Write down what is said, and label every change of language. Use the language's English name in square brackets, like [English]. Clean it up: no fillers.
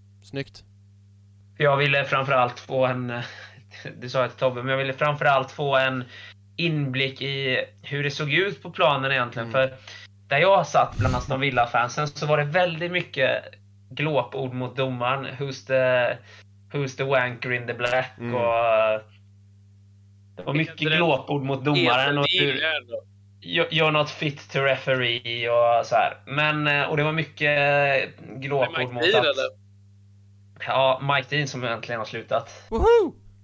[Swedish] Snyggt. Jag ville framförallt få en... Du sa att Tobbe, men jag ville framförallt få en inblick i hur det såg ut på planen egentligen. Mm. För där jag satt bland annat de Villa-fansen så var det väldigt mycket glåpord mot domaren. [English] Who's the wanker in the black? [Swedish] Mm. Och det var mycket glåpord mot domaren. Och hur... [English] You're not fit to referee [Swedish] och så här. Men, och det var mycket glåpord mot att... Ja, Mike Dean som egentligen har slutat. Woho!